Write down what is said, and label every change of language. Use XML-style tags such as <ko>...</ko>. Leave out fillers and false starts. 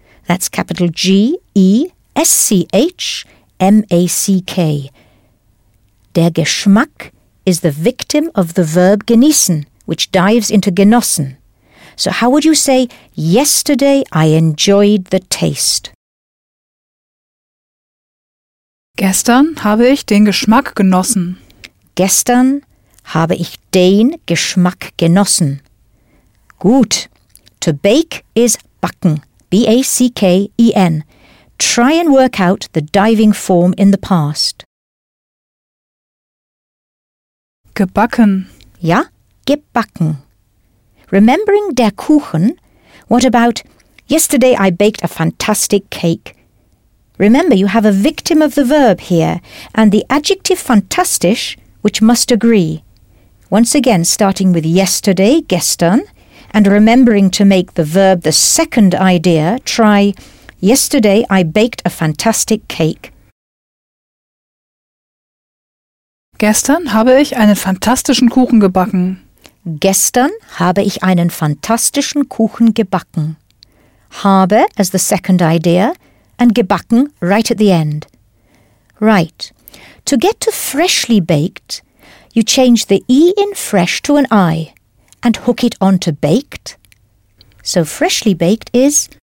<en>That's capital G-E-S-C-H-M-A-C-K. Der Geschmack is the victim of the verb genießen, which dives into genossen. So how would you say, yesterday I enjoyed the taste?</en> <de>Gestern habe ich den Geschmack genossen. Gestern habe ich den Geschmack genossen.</de> <en>Gut. To bake is backen. B-A-C-K-E-N. Try and work out the diving form in the past.</en> <de>Gebacken.</de> <en>Ja, gebacken. Remembering der Kuchen, what about yesterday I baked a fantastic cake? Remember, you have a victim of the verb here and the adjective fantastisch, which must agree. Once again, starting with yesterday, gestern, and remembering to make the verb the second idea, try, yesterday I baked a fantastic cake.</en> <de>Gestern habe ich einen fantastischen Kuchen gebacken. Gestern habe ich einen fantastischen Kuchen gebacken.</de> <en>Habe as the second idea, and gebacken right at the end. Right. To get to freshly baked, you change the E in fresh to an I. And hook it onto baked. So freshly baked is</en>